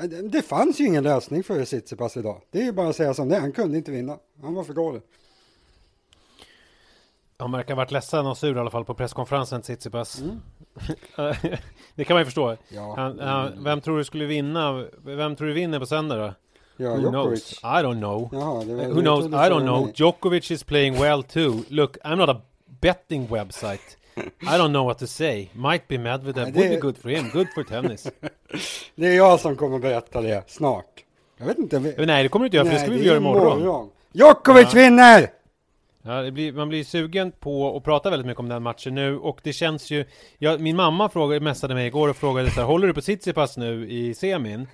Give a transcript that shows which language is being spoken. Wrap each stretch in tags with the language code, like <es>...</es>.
<sv>Det fanns ju ingen lösning för Tsitsipas idag, det är ju bara att säga som det, han kunde inte vinna, han var för dålig. Han verkar ha varit ledsen och sur i alla fall på presskonferensen, Tsitsipas. Mm. Det kan man ju förstå. Ja. Vem tror du skulle vinna? Vem tror du vinner på söndag då?</sv> <en>Ja, who Djokovic. Knows? I don't know. Who knows? I don't know. Djokovic is playing well too. Look, I'm not a betting website. I don't know what to say. Might be Medvedev. Nej, would be good for him. Good for tennis.</en> <sv>Det är jag som kommer att berätta det snart. Jag vet inte. Men nej, det kommer du inte göra, för det ska vi göra imorgon. Djokovic vinner! Ja, man blir sugen på att prata väldigt mycket om den matchen nu, och det känns ju, min mamma messade mig igår och frågade så här, håller du på Tsitsipas nu i semin?</sv>